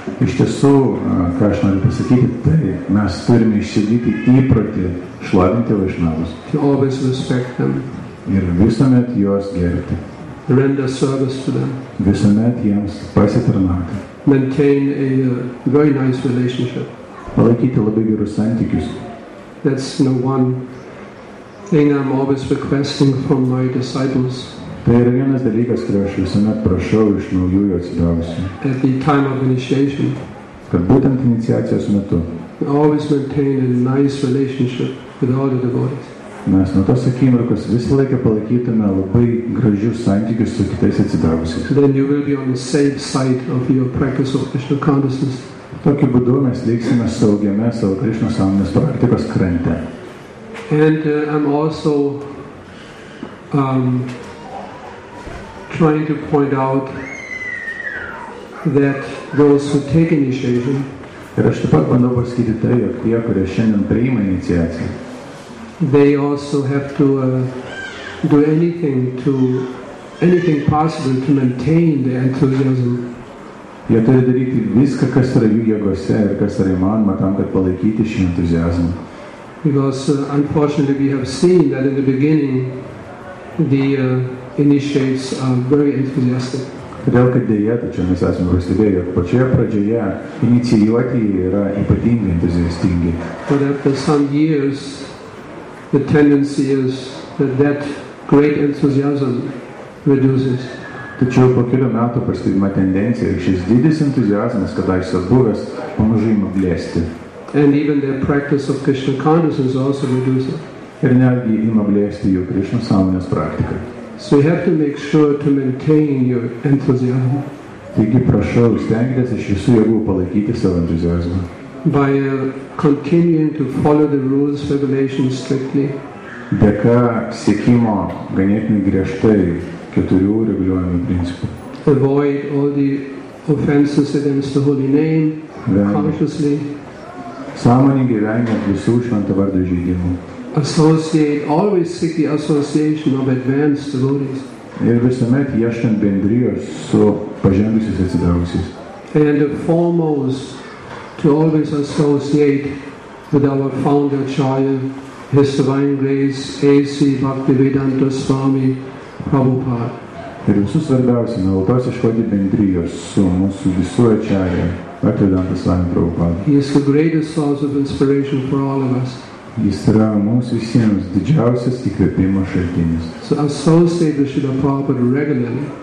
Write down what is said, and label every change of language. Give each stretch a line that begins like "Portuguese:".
Lithuanian: Iš tiesų, ką aš noriu pasakyti, tai mes turime išsiugdyti įprotį šlovinti Vaishnavas.
English: To always respect them.
Lithuanian: Ir visuomet juos gerbti.
English: Render service to them.
Lithuanian: Visuomet jiems pasitarnauti.
English: Maintain a very nice relationship.
Lithuanian: Palaikyti labai gerus santykius.
English: That's one thing I'm always requesting from my disciples.
Lithuanian: Tai yra vienas dalykas, kurio aš visuomet prašau iš naujųjų atsidavusių.
English: At the time of initiation.
Lithuanian: Kad būtent iniciacijos metu.
English: always maintain a nice relationship with all the devotees.
Lithuanian: Mes nuo tos akimirkos visą laiką palaikytume labai gražius santykius su kitais atsidavusiais.
English: Then you will be on the safe side of your practice of Krishna consciousness.
Lithuanian: Tokiu būdu mes liksime saugiame savo Krishna sąmonės praktikos krante.
English: And I'm also trying to point out that those who take initiation.
Lithuanian: Ir aš taip pat bandau pasakyti tai, jog tie, kurie šiandien priima iniciaciją,
English: they also have to do anything possible to maintain the enthusiasm.
Lithuanian: Jie turi daryti viską, kas yra jų jėgose ir kas yra įmanoma tam, kad palaikyti šį entuziazmą.
English: Because unfortunately we have seen that in the beginning the initiates are very enthusiastic.
Lithuanian: Todėl, kad dėja, tačiau mes esame pastebėję, jog pačioje pradžioje inicijuoti yra ypatingai entuziastingi.
English: But after some years the tendency is that that great enthusiasm reduces.
Lithuanian: Tačiau po kelių metų pastebima tendencija, ir šis didis entuziazmas, kadaise buvęs, pamažu ima blėsti.
English: And even their practice of Krishna consciousness also reduces.
Lithuanian: Ir netgi ima blėsti jų Krishna sąmonės praktika.
English: So you have to make sure to maintain your enthusiasm.
Lithuanian: Taigi prašau, stengtis iš visų jėgų palaikyti savo entuziazmą.
English: By continuing to follow the rules, regulations strictly.
Lithuanian: Dėka sėkimo ganėtinai griežtai keturių reguliuojamų principų.
English: Avoid all the offenses against the holy name consciously.
Lithuanian: Sąmoningai vengiant visų švento vardo žeidimų.
English: Associate, always seek the association of advanced devotees.
Lithuanian: Ir visuomet ieškant bendrijos su pažengusiais atsidavusiais.
English: And the foremost to always associate with our founder Acharya, His Divine Grace, A.C. Bhaktivedanta Swami, Prabhupada.
Lithuanian: Ir visų svarbiausia, nuolatos ieškoti bendrijos su mūsų visų Acharya, Bhaktivedanta Swami, Prabhupada.
English: He is the greatest source of inspiration for all of us.
Lithuanian: Jis yra mums visiems didžiausias įkvėpimo šaltinis.
English: So associate with Srila Prabhupada regularly.